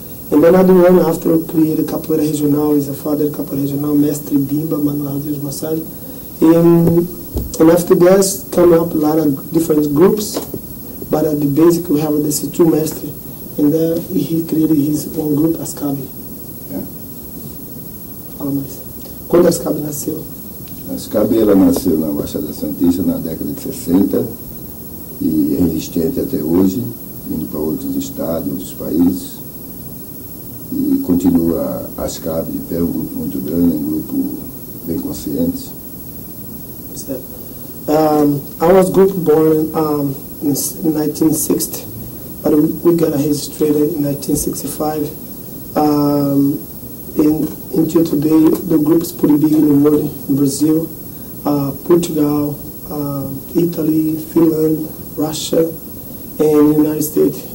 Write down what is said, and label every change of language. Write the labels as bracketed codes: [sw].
[en] And another one after created Capoeira Regional, is a father of Capoeira Regional, Mestre Bimba, Manuel Deus Massad. And after that, come up a lot of different groups, but at the basic, we have these two Mestre, and then he created his own group, ASCAB. Yeah. [pt] Fala mais. Quando ASCAB nasceu? ASCAB, ela nasceu na Baixada Santista, na década de 60, e é existente até hoje, indo para outros estados, outros países. E continua ASCAB de pé, um grupo muito grande, um grupo bem consciente. Certo. [en] Our group born in 1960, but we got registered in 1965. Until today, the group is pretty big in the world, in Brazil, Portugal, Italy, Finland, Russia, and United States.